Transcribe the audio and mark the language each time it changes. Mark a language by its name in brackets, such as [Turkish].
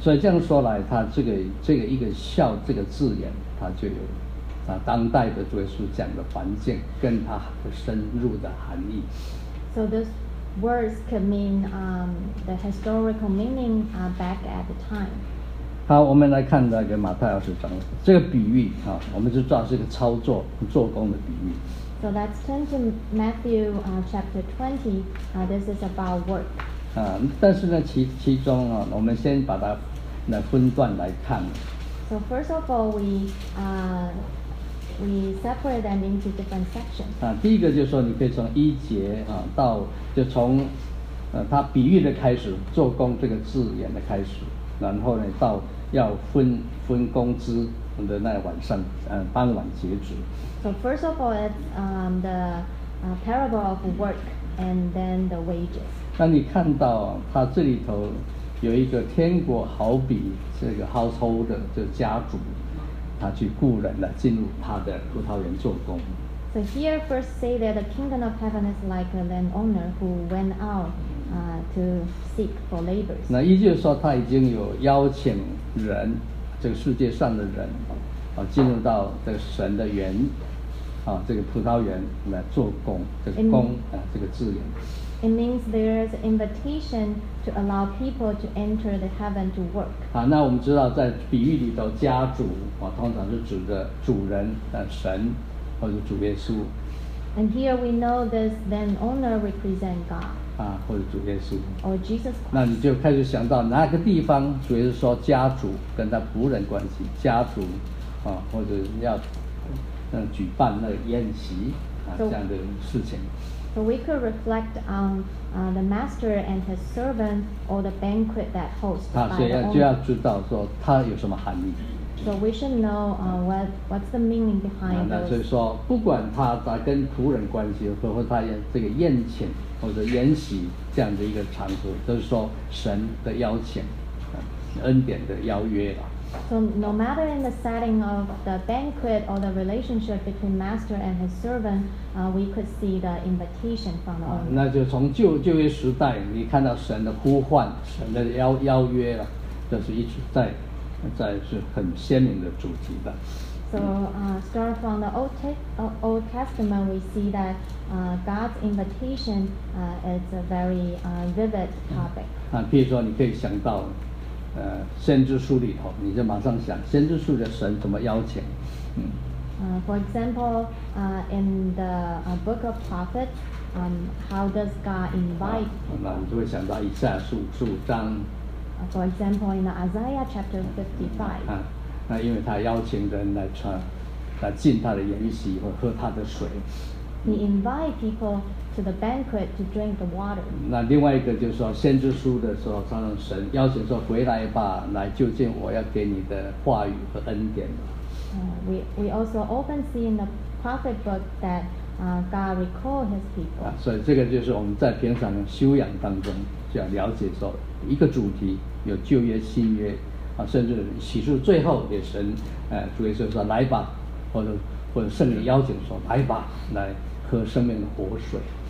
[Chinese] 所以这样说来，他这个一个笑这个字眼，它就有啊当代的主耶稣讲的环境跟它深入的含义。 [English] So this. Words could mean the historical meaning back at the time. [Chinese] 好，我们来看那个马太二十章这个比喻啊，我们就知道是一个操作做工的比喻。 [English] So let's turn to Matthew chapter 20. This is about work. [Chinese] 但是呢，其中啊，我们先把它来分段来看。 [English] So first of all, we separate them into different sections. [Chinese] 第一个就是说，你可以从一节啊到就从他比喻的开始，做工这个字眼的开始，然后呢到要分工资的那晚上，傍晚截止。 [English] So first of all, it's parable of work and then the wages. [Chinese] 那你看到他这里头有一个天国好比这个 householder 就家主。他去雇人来进入他的葡萄园做工。 [English] So here first say that the kingdom of heaven is like a landowner who went out to seek for labors. [Chinese] 那也就是说他已经有邀请人，这个世界上的人，进入到这个神的园，这个葡萄园来做工，这个工这个字眼。 [English] It means there's invitation to allow people to enter the heaven to work. [Chinese] 那我们知道在比喻里头，家主通常是指的主人神，或者主耶稣。 [English] And here we know this then owner represent God. [Chinese] 或者主耶稣。 [English] Or Jesus Christ. [Chinese] 那你就开始想到哪个地方，主耶稣说家主跟他仆人关系，家主或者要举办那个宴席这样的事情。 [English] So we could reflect on the master and his servant or the banquet that hosts by the owner. [Chinese] 就要知道说他有什么含义。 [English] So we should know what's the meaning behind those. [Chinese] 所以说不管他跟仆人关系，或者他这个宴请或者宴席这样的一个场合，都是说神的邀请，恩典的邀约吧。 [English] So no matter in the setting of the banquet or the relationship between master and his servant, we could see the invitation from the owner. [Chinese] 那就从旧约时代，你看到神的呼唤，神的邀约了，这是一直在是很鲜明的主题的。 [English] So start from the Old Testament, we see that God's invitation is a very vivid topic. [Chinese] 譬如说你可以想到。先知书里头，你就马上想先知书的神怎么邀请？ [English] For example, in the book of prophets, how does God invite? [Chinese] 那你就会想到以赛亚书5:5。 [English] For example, in Isaiah chapter 55. [Chinese] 那因为他邀请人来进他的筵席，或喝他的水。 [English] He invite people to the banquet to drink the water. [Chinese] 那另外一个就是说，先知书的时候，常常神邀请说：“回来吧，来就近我要给你的话语和恩典。” [English] We also often see in the prophet book that God recall his people. [Chinese] 所以这个就是我们在平常修养当中就要了解说，一个主题有旧约、新约，啊，甚至起初最后也神，主耶稣说来吧，或者圣灵邀请说来吧，来喝生命的活水。